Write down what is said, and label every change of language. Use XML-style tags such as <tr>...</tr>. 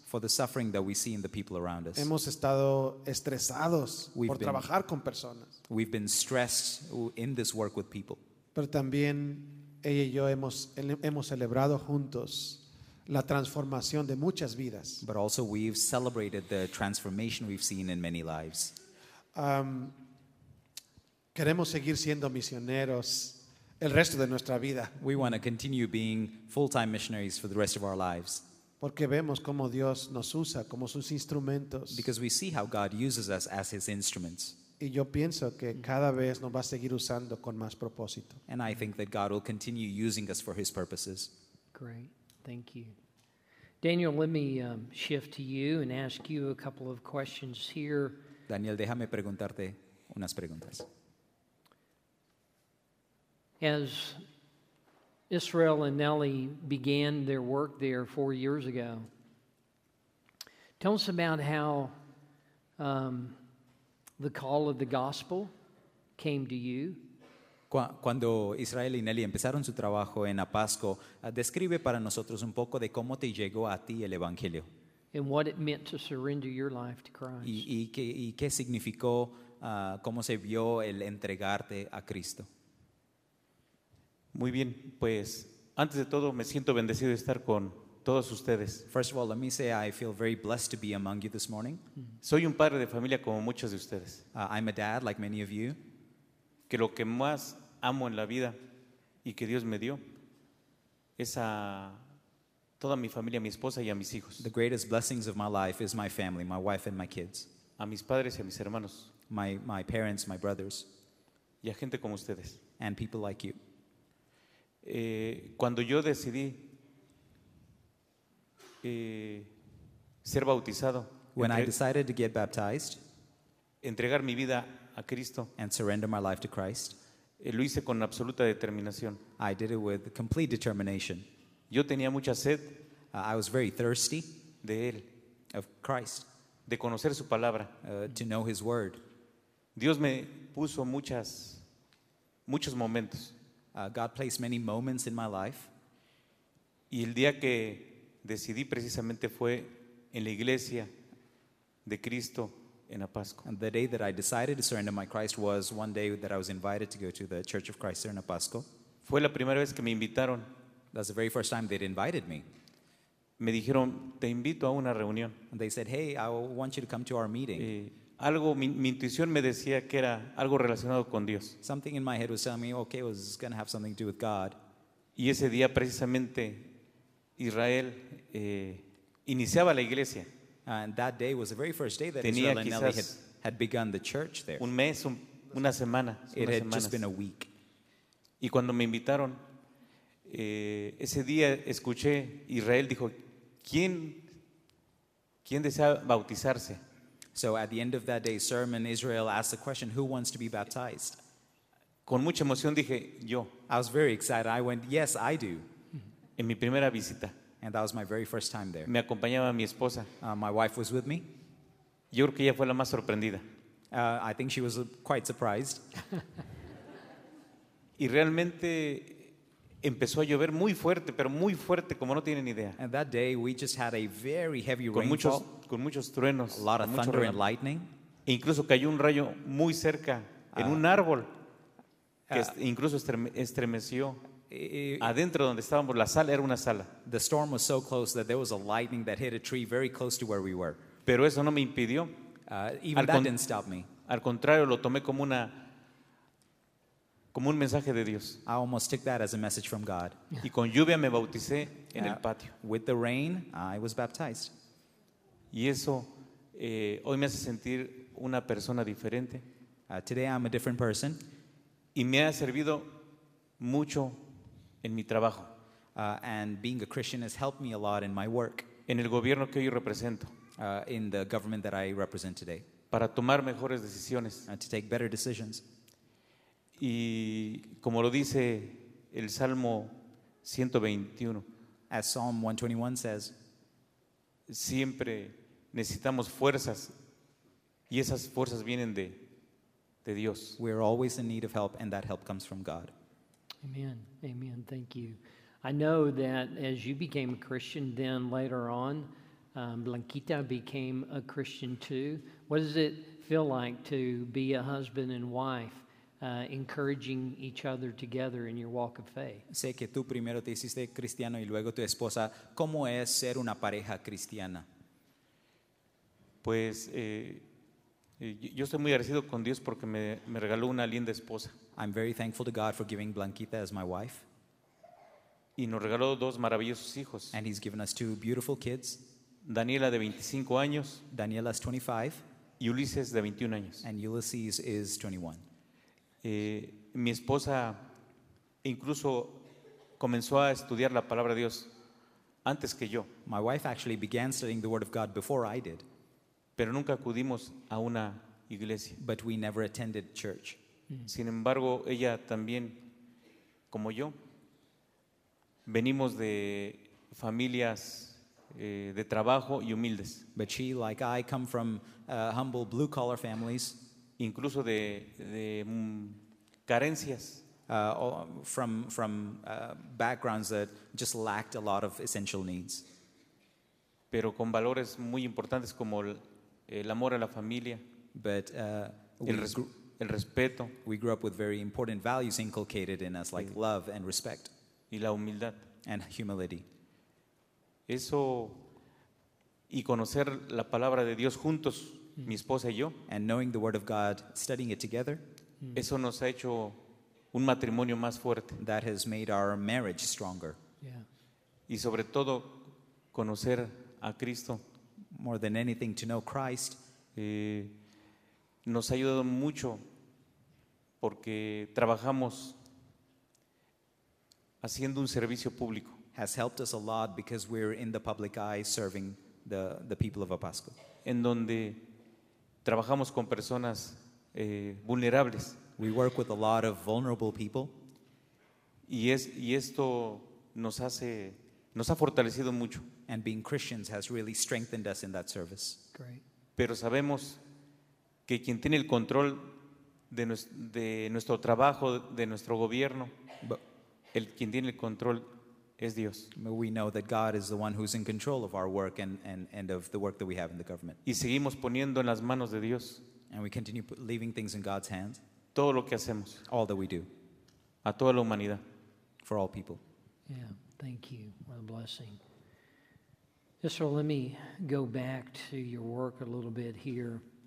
<en>For the suffering that we see in the people around us.</en> <es>Hemos estado estresados por trabajar con personas.</es> <en>We've been stressed in this work with people.</en> <es>Pero también ella y yo hemos celebrado juntos la transformación de muchas vidas.</es> <en>But also we've celebrated the transformation we've seen in many lives.</en> <es>Queremos seguir siendo misioneros el resto de nuestra vida.</es> <en>We want to continue being full-time missionaries for the rest of our lives.</en> <es>Porque vemos cómo Dios nos usa como sus instrumentos.</es> <en>Because we see how God uses us as his instruments.</en> <es>Y yo pienso que cada vez nos va a seguir usando con más propósito.</es> <en>And I think that God will continue using us for his purposes. Great. Thank you. Daniel, let me shift to you and ask you a couple of questions here.</en> <es>Daniel, déjame preguntarte unas preguntas.</es> <en>As Israel and Nelly began their work there 4 years ago, tell us about how the call of the gospel came to you.</en> <es>Cuando Israel y Nelly empezaron su trabajo en Apasco, describe para nosotros un poco de cómo te llegó a ti el evangelio.</es> <en>And what it meant to surrender your life to Christ.</en> <es>Y qué significó, cómo se vio el entregarte a Cristo. Muy bien, pues antes de todo me siento bendecido de estar con todos ustedes.</es> <en>First of all, let me say I feel very blessed to be among you this morning.</en> <es>Soy un padre de familia como muchos de ustedes.</es> <en>I'm a dad like many of you.</en> <es>Que lo que más amo en la vida y que Dios me dio es a toda mi familia, a mi esposa y a mis hijos.</es> <en>The greatest blessings of my life is my family, my wife and my kids.</en> <es>A mis padres y a mis hermanos.</es> <en>My parents, my brothers.</en> <es>Y a gente como ustedes.</es> <en>And people like you.</en> <es>Cuando yo decidí ser bautizado,</es> <en>when I decided to get baptized,</en> <es>entregar mi vida a Cristo,</es> <en>and surrender my life to Christ,</en> <es>lo hice con absoluta determinación.</es> <en>I did it with complete determination.</en> <es>Yo tenía mucha sed,</es> <en>I was very thirsty,</en> <es>de él,</es> <en>of Christ,</en> <es>de conocer su palabra,</es> <en>to know his word.</en> <es>Dios me puso muchos momentos.</es> <en>God placed many moments in my life.</en> <es>Y el día que decidí precisamente fue en la iglesia de Cristo en Apasco.</es> <en>And the day that I decided to surrender my Christ was one day that I was invited to go to the Church of Christ there in Apasco.</en> <es>Fue la primera vez que me invitaron.</es> <en>That's the very first time they'd invited me.</en> <es>Me dijeron, te invito a una reunión.</es> <en>And they said, hey, I want you to come to our meeting.</en> <es>Algo, mi intuición me decía que era algo relacionado con Dios.</es> <en>Something in my head was telling me, okay, it was going to have something to do with God.</en> <es>Y ese día precisamente Israel iniciaba la iglesia.</es> <en>And that day was the very first day that Israel and Nelly had begun the church there.</en> <es>Un mes, una semana.</es> <en>It had just been a week.</en> <es>Y cuando me invitaron, ese día escuché, Israel dijo, ¿quién desea bautizarse?</es> <en>So at the end of that day's sermon, Israel asked the question, who wants to be baptized?</en> <es>Con mucha emoción dije, yo.</es> <en>I was very excited. I went, yes, I do.</en> <es>En mi primera visita.</es> <en>And that was my very first time there.</en> <es>Me acompañaba mi esposa.</es> <en>My wife was with me.</en> <es>Yo creo que ella fue la más sorprendida.</es> <en>I think she was quite surprised.</en> <es>Y realmente empezó a llover muy fuerte, pero muy fuerte, como no tienen idea.</es> <en>And that day we just had a very heavy</en> <es>con</es> <en>rainfall.</en> <es>Con muchos truenos.</es> <en>A lot of thunder and lightning.</en> <es>E incluso cayó un rayo muy cerca, en un árbol, que incluso estremeció. Adentro donde estábamos, la sala era una sala.</es> <en>The storm was so close that there was a lightning that hit a tree very close to where we were.</en> <es>Pero eso no me impidió.</es> <en>Didn't stop me.</en> <es>Al contrario, lo tomé como un mensaje de Dios.</es> <en>I almost took that as a message from God.</en> <es>Y con lluvia me bauticé en el patio.</es> <en>With the rain, I was baptized.</en> <es>Y eso hoy me hace sentir una persona diferente.</es> <en>Today I'm a different person.</en> <es>Y me ha servido mucho en mi trabajo.</es> <en>And being a Christian has helped me a lot in my work.</en> <es>En el gobierno que yo represento.</es> <en>In the government that I represent today.</en> <es>Para tomar mejores decisiones.</es> <en>To take better decisions.</en> <es>Y como lo dice el Salmo 121,</es> <en>as Psalm 121 says,</en> <es>siempre necesitamos fuerzas y esas fuerzas vienen de Dios.</es> <en>We are always in need of help and that help comes from God. Amen. Amen. Thank you. I know that as you became a Christian, then later on, Blanquita became a Christian too. What does it feel like to be a husband and wife? Encouraging each other together in your walk of faith.</en> <es>Sé que tú primero te hiciste cristiano y luego tu esposa. ¿Cómo es ser una pareja cristiana? Pues yo estoy muy agradecido con Dios porque me regaló una linda esposa.</es> <en>I'm very thankful to God for giving Blanquita as my wife.</en> <es>Y nos regaló dos maravillosos hijos.</es> <en>And he's given us two beautiful kids.</en> <es>Daniela de 25 años.</es> <en>Daniela's 25.</en> <es>Y Ulises de 21 años.</es> <en>And Ulysses is 21.</en> <es>Mi esposa incluso comenzó a estudiar la palabra de Dios antes que yo.</es> <en>My wife actually began studying the word of God before I did.</en> <es>Pero nunca acudimos a una iglesia.</es> <en>But we never attended church.</en> <es>Sin embargo, ella también, como yo, venimos de familias de trabajo y humildes.</es> <en>But she, like I, come from humble blue-collar families.</en> <es>Incluso de carencias.</es> <en>From backgrounds that just lacked a lot of essential needs.</en> <es>Pero con valores muy importantes como el amor a la familia.</es> <en>But</en> <es>el respeto.</es> <en>We grew up with very important values inculcated in us, like love and respect.</en> <es>Y la humildad.</es> <en>And humility.</en> <es>Eso y conocer la palabra de Dios juntos, mi esposa y yo.</es> <en>And knowing the word of God, studying it together.</en> <es>Eso nos ha hecho un matrimonio más fuerte.</es> <en>That has made our marriage stronger.</en> <es>Y sobre todo conocer a Cristo.</es> <en>More than anything, to know Christ.</en> <es>Nos ha ayudado mucho porque trabajamos haciendo un servicio público.</es> <en>Has helped us a lot because we're in the public eye serving the people of Apasco.</en> <es>En donde trabajamos con personas vulnerables.</es> <en>We work with a lot of vulnerable people.</en> <es>Y esto nos ha fortalecido mucho.</es> <en>And being Christians has really strengthened us in that service. Great.</en> <es>Pero sabemos que quien tiene el control de nuestro trabajo, de nuestro gobierno, quien tiene el control es Dios.</es> <en>We know that God is the one who's in control of our work and of the work that we have in the government.</en> <es>Y seguimos poniendo en las manos de Dios.</es> <en>And we continue leaving things in God's hands.</en> <es>Todo lo que hacemos.</es> <en>All that we do.</en> <es>A toda la humanidad.</es> <en>For all people. Yeah, thank you. What a blessing. Sister, let me go back to your work a little bit here.</en>